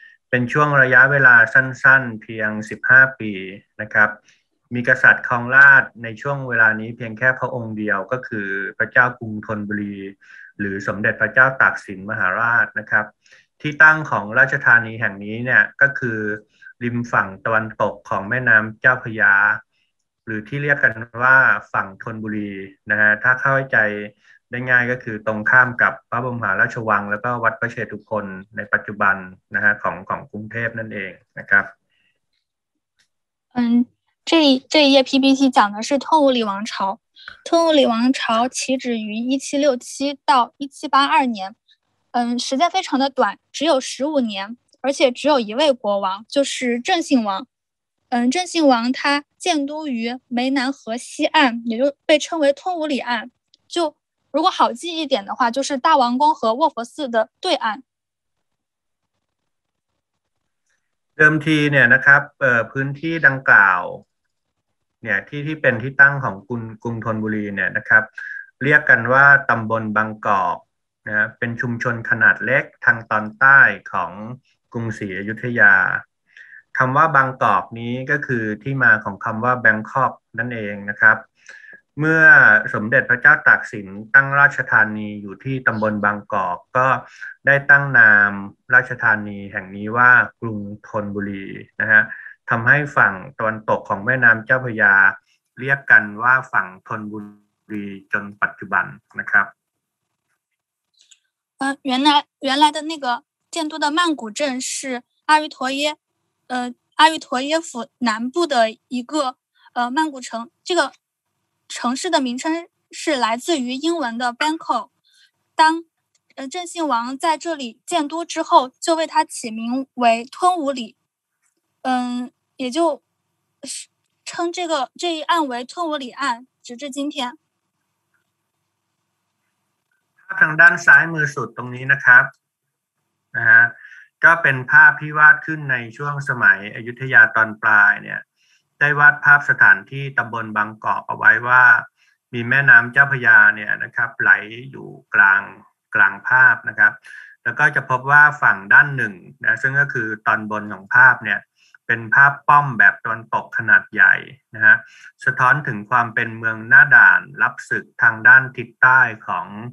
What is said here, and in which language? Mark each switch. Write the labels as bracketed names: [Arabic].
[Thai] เป็นช่วงระยะเวลาสั้นๆเพียง15ปีนะครับมีกษัตริย์ครองราชในช่วงเวลานี้เพียงแค่พระองค์เดียวก็คือพระเจ้ากรุงธนบุรีหรือสมเด็จพระเจ้าตากสินมหาราชนะครับที่ตั้งของราชธานีแห่งนี้เนี่ยก็คือริมฝั่งตะวันตกของแม่น้ำเจ้าพระยา หรือที่เรียกกันว่าฝั่งธนบุรีนะฮะถ้าเข้าใจได้ง่ายก็คือตรงข้ามกับพระบรมมหาราชวังแล้วก็วัดพระเชตุพนในปัจจุบันนะฮะของกรุงเทพนั่นเองนะครับ [Chinese] 这一页 PPT 讲的是吞武里王朝，吞武里王朝起止于1767到1782年，时间非常的短，只有15年，而且只有一位国王，就是郑姓王。郑姓王他建都于湄南河西岸，也就被称为吞武里岸，就如果好记一点的话，就是大王宫和卧佛寺的对岸。 [Thai] เดิมทีเนี่ยนะครับพื้นที่ดังกล่าวเนี่ยที่เป็นที่ตั้งของกรุงธนบุรีเนี่ยนะครับเรียกกันว่าตำบลบางกอกนะเป็นชุมชนขนาดเล็กทางตอนใต้ของกรุงศรีอยุธยา คำว่าบางกอกนี้ก็คือที่มาของคำว่าแบงคอกนั่นเองนะครับเมื่อสมเด็จพระเจ้าตากสินตั้งราชธานีอยู่ที่ตำบลบางกอกก็ได้ตั้งนามราชธานีแห่งนี้ว่ากรุงธนบุรีนะฮะทำให้ฝั่งตะวันตกของแม่น้ำเจ้าพระยาเรียกกันว่าฝั่งธนบุรีจนปัจจุบันนะครับ [Chinese] 原来的那个建都的曼谷镇是阿育陀耶府南部的一个曼谷城这个城市的名称是来自于英文的 Bangkok。当郑姓王在这里建都之后，就为他起名为吞武里。也就称这一岸为吞武里岸，直至今天。 [Thai] ภาพทางด้านซ้ายมือสุดตรงนี้นะครับนะฮะก็เป็นภาพที่วาดขึ้นในช่วงสมัยอยุธยาตอนปลายเนี่ยได้วาดภาพสถานที่ตำบลบางกอกเอาไว้ว่ามีแม่น้ำเจ้าพระยาเนี่ยนะครับไหลอยู่กลางภาพนะครับแล้วก็จะพบว่าฝั่งด้านหนึ่งนะซึ่งก็คือตอนบนของภาพเนี่ยเป็นภาพป้อมแบบตอนตกขนาดใหญ่นะฮะสะท้อนถึงความเป็นเมืองหน้าด่านรับศึกทางด้านทิศใต้ของ